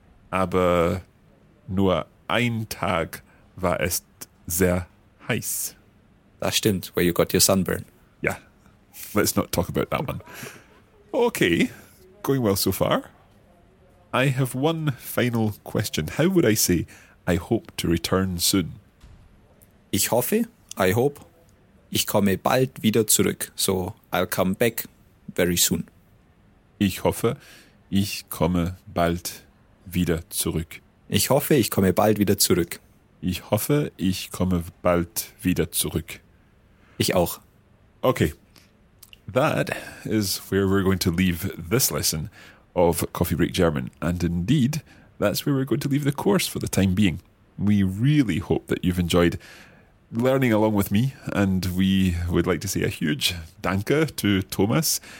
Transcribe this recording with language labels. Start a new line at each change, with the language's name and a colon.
German: Aber nur ein Tag war es sehr heiß. Das stimmt,
English: where you got your sunburn. Ja, let's not talk about that one. Okay, going well so far. I have one final question. How would I say, I hope to return soon?
German: Ich hoffe,
English: I hope,
German: ich komme bald wieder zurück.
English: So, I'll come back very soon.
German: Ich hoffe, ich komme bald wieder zurück. Ich hoffe, ich komme bald wieder zurück. Ich hoffe, ich komme bald wieder zurück. Ich auch.
English: Okay. That is where we're going to leave this lesson of Coffee Break German. And indeed, that's where we're going to leave the course for the time being. We really hope that you've enjoyed learning along with me. And we would like to say a huge danke to Thomas.